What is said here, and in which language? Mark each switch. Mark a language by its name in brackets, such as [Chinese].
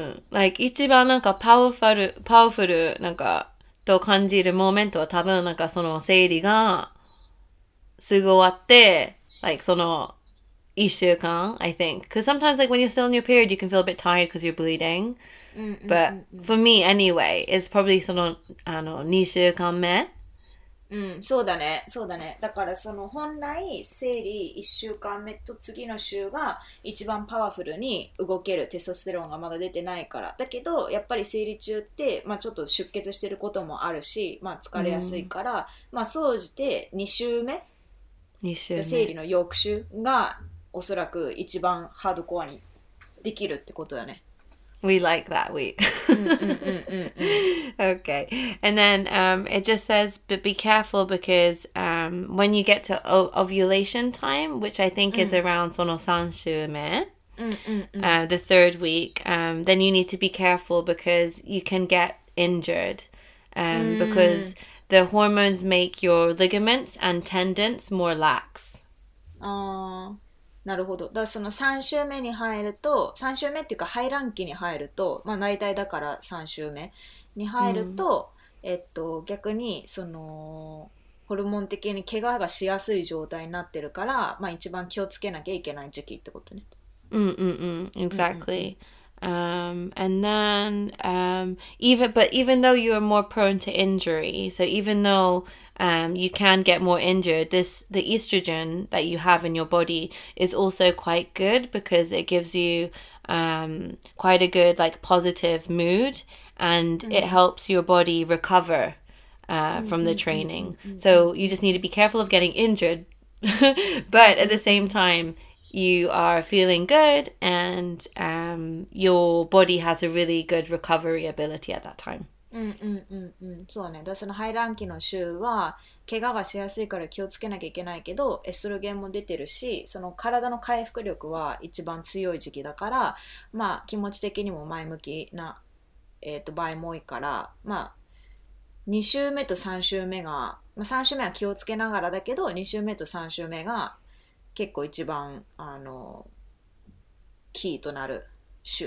[Japanese] Like, 一番なんかパワフルなんかと感じるモーメントは多分なんかその生理がすぐ終わって、like, その一週間、 [English] I think. Because sometimes, like, when you're still in your period, you can feel a bit tired because you're bleeding. But for me, anyway, it's probably [Japanese] その、二週間目。そうだね、そうだね。だからその本来生理1週間目と次の週が一番パワフルに動けるテストステロンがまだ出てないから。だけどやっぱり生理中って、まあ、ちょっと出血してることもあるし、まあ、疲れやすいから、まあ、総じて2週目、 2週目生理の翌週がおそらく一番ハードコアにできるってことだね。 [English] We like that week. Okay. And then it just says, but be careful because when you get to ovulation time, which I think is around [Japanese] Sono Sanshuume, [English] the third week, then you need to be careful because you can get injured because the hormones make your ligaments and tendons more lax. [Japanese] なるほど。だからその3週目に入ると、3週目っていうか排卵期に入ると、まあ大体だから3週目に入ると、逆にそのホルモン的に怪我がしやすい状態になってるから、まあ一番気をつけなきゃいけない時期ってことね。 [English] Exactly. And then, even though you are more prone to injury, so even though you can get more injured, the estrogen that you have in your body is also quite good because it gives you quite a good like positive mood and it helps your body recover from the training. So you just need to be careful of getting injured, but at the same time,You are feeling good and your body has a really good recovery ability at that time. [Japanese] そうね。だその排卵期の週は怪我がしやすいから気をつけなきゃいけないけど、エストロゲンも出てるし、その体の回復力は一番強い時期だから、まあ気持ち的にも前向きな、場合も多いから、まあ2週目と3週目が、まあ3週目は気をつけながらだけど、2週目と3週目が結構一番あのキーとなる週